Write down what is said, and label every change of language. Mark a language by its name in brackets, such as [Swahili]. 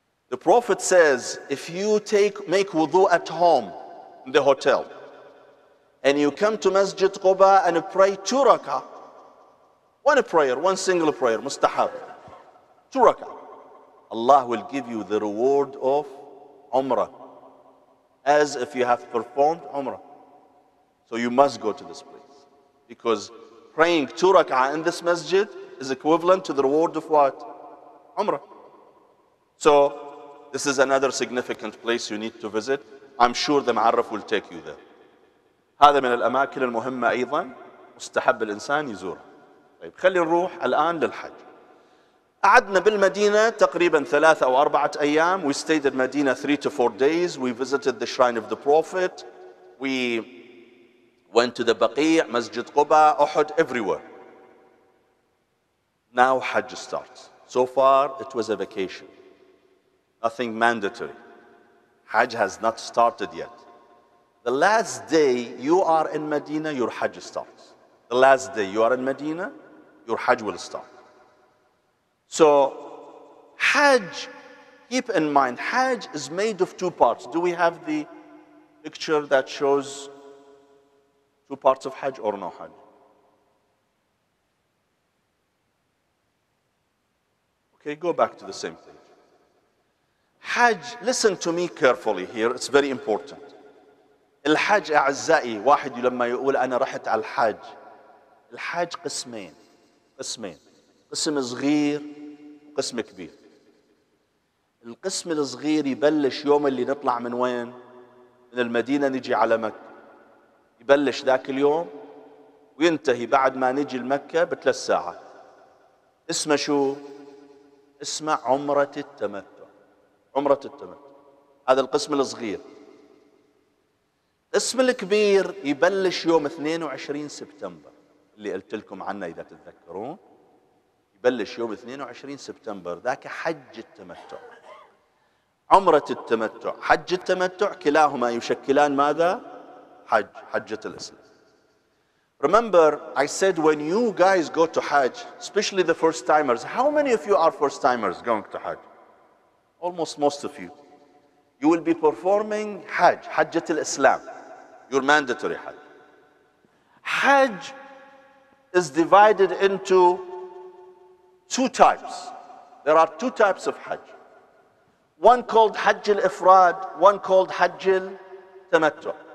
[English] The Prophet says if you make wudu at home in the hotel and you come to Masjid Quba and pray two rak'ah one prayer, one single prayer, mustahab two rak'ah Allah will give you the reward of Umrah, as if you have performed Umrah. So you must go to this place. Because praying two rak'ah in this masjid is equivalent to the reward of what? Umrah. So this is another significant place you need to visit. I'm sure the Ma'arif will take you there. [Arabic] هذا من الأماكن المهمة أيضا مستحب الإنسان يزورها. طيب خلي نروح الآن للحج. قعدنا بالمدينة تقريبا ثلاثة أو أربعة أيام. [English] We stayed in Medina 3 to 4 days. We visited the shrine of the Prophet. We went to the Baqi, Masjid Quba, Uhud, everywhere. Now Hajj starts. So far, it was a vacation. Nothing mandatory. Hajj has not started yet. The last day you are in Medina, your Hajj starts. The last day you are in Medina, your Hajj will start. So Hajj, keep in mind, Hajj is made of two parts. Do we have the picture that shows two parts of Hajj or no Hajj? Okay, go back to the same page. Hajj, listen to me carefully here. It's very important. [Arabic] الحج أعزائي واحد لما يقول أنا رحت على الحج الحج قسمين قسمين قسم صغير قسم كبير القسم الصغير يبلش يوم اللي نطلع من وين من المدينة نجي على مكة يبلش ذاك اليوم وينتهي بعد ما نجي المكة بثلاث ساعات اسمه شو اسمه عمرة التمتع عمرة التمتع هذا القسم الصغير اسم الكبير يبلش يوم 22 سبتمبر اللي قلت لكم عنه إذا تتذكرون يبلش يوم 22 سبتمبر ذاك حج التمتع عمرة التمتع حج التمتع كلاهما يشكلان ماذا؟ حج حجة الإسلام [English] Remember, I said when you guys go to Hajj, especially the first timers, how many of you are first timers going to Hajj? Almost most of you. You will be performing Hajj, حجة الإسلام. Your mandatory Hajj. Hajj is divided into two types. There are two types of Hajj. One called Hajj al-Ifrad, one called Hajj al-Tamattu'.